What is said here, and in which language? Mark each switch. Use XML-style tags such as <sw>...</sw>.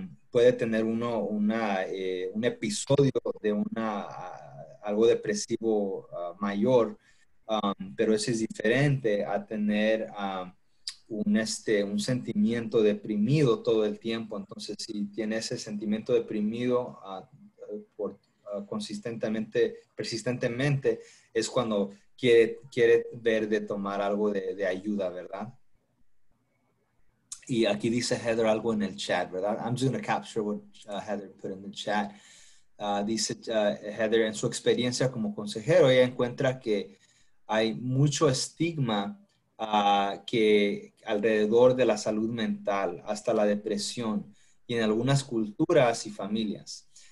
<es>Puede tener uno un episodio de algo depresivo mayor, pero eso es diferente a tener un sentimiento deprimido todo el tiempo. Entonces, si tiene ese sentimiento deprimido por consistentemente, persistentemente, es cuando quiere ver de tomar algo de ayuda, ¿verdad? Y aquí dice Heather algo en el chat, ¿verdad?</es> <en>I'm just going to capture what Heather put in the chat.</en> <es>Dice Heather, en su experiencia como consejero, ella encuentra que hay mucho estigma que alrededor de la salud mental, hasta la depresión, y en algunas culturas y familias.</es>